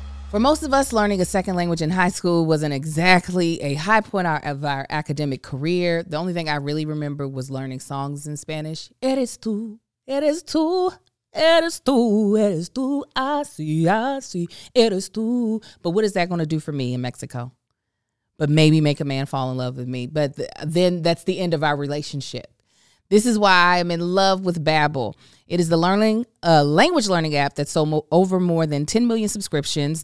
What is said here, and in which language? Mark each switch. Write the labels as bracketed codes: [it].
[en] For most of us, learning a second language in high school wasn't exactly a high point of our academic career. The only thing I really remember was learning songs in Spanish. [es] Eres tú, eres tú, eres tú, eres tú, así, así, eres tú. [en] But what is that going to do for me in Mexico? But maybe make a man fall in love with me. But then that's the end of our relationship. This is why I'm in love with Babbel. It is the learning language learning app that sold over more than 10 million subscriptions.